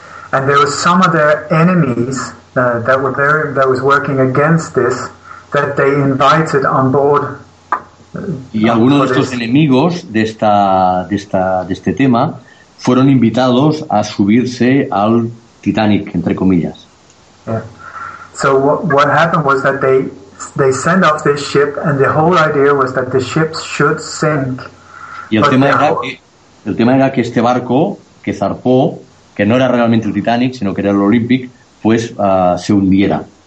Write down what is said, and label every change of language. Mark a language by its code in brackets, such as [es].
[en] And there were some of their enemies that were there that was working against this. That they invited on board. [es] Y algunos de estos enemigos de este tema fueron invitados a subirse al Titanic, entre comillas. [en] Yeah. So what happened was that they sent off this ship, and the whole idea was that the ship should sink. [es] Y el tema era que este barco que zarpó, que no era realmente el Titanic, sino que era el Olympic, pues se hundiera.